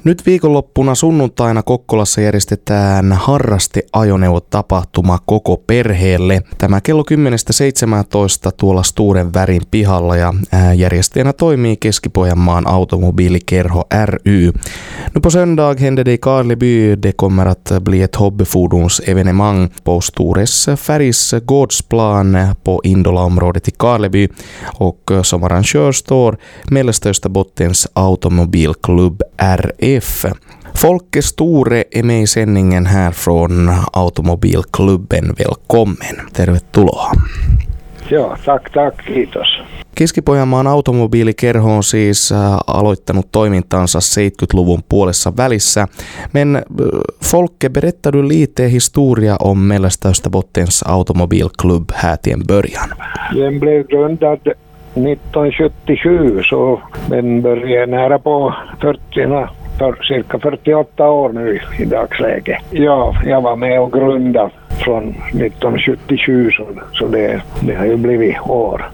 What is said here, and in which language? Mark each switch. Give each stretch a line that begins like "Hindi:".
Finnish: Nyt viikonloppuna sunnuntaina Kokkolassa järjestetään harrasteajoneuvotapahtuma koko perheelle. Tämä kello 10-17 tuolla Sturen värin pihalla ja järjestäjänä toimii Keski-Pohjanmaan automobiilikerho ry.
Swedish: Nu på söndag händer det i Karleby. Det kommer att bli ett hobbyfordonsevenemang på Stures färgs gårdsplan på Indola-området i Karleby. Och som arrangör står Mellestöstä Bottens automobilklubb RF. Folke Sture är med i sändningen här från automobilklubben. Välkommen.
Finnish: Tervetuloa.
Swedish: Joo, tack, kiitos.
Finnish: Keski-Pohjanmaan automobiilikerho on siis aloittanut toimintansa 70-luvun puolessa välissä.
Swedish: Men Folke, berätta du lite historia om Mellestöstä Bottens automobilklubb här till en början. Den blev grundad 1977, så den började nära på 40-talet. Cirka 48 år nu i dagsläge. Ja, jag var med och grundade från 1977, så det har ju blivit år.